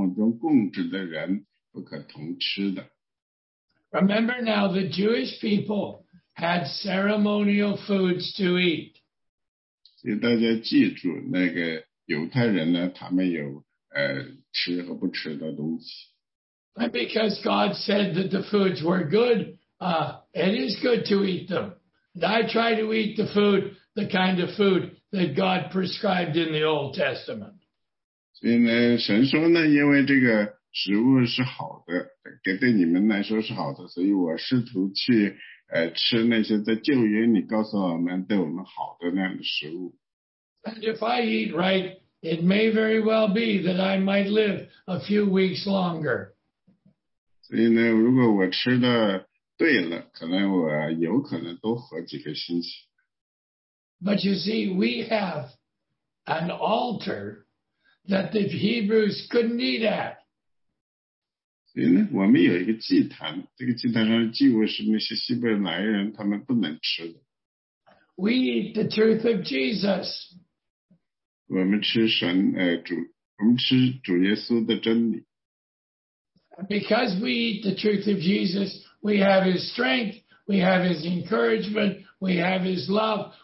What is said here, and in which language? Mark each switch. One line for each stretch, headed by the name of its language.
Chinese: 所以呢，第十节讲了一些很奇妙的东西。我们有一祭坛，上面的祭物是那些在帐幕中供职的人不可同吃的。
English: Remember now the Jewish people had ceremonial foods to eat.
Chinese: 所以大家记住，那个犹太人呢，他们有吃和不吃的东西。
English: And because God said that the foods were good, it is good to eat them. And I try to eat the food, the kind of food that God prescribed in the Old Testament.
Chinese: 所以呢，神说呢，因为这个食物是好的，给对你们来说是好的，所以我试图去。吃那些在旧约里告诉我们对我们好的那样的食物。
English: And if I eat right, It may very well be that I might live a few weeks longer.
Chinese: 所以呢, 如果我吃的对了,可能我有可能多活几个星期。
English: But you see, we have an altar that the Hebrews couldn't eat at.
Chinese: 所以呢, 我们有一个祭坛, 这个祭坛上的祭物是那些希伯来人他们不能吃的。
English: We eat the truth of Jesus.
Chinese: 我们吃神, 我们吃主耶稣的真理。
English: Because we eat the truth of Jesus, we have his strength, we have his encouragement, we have his love.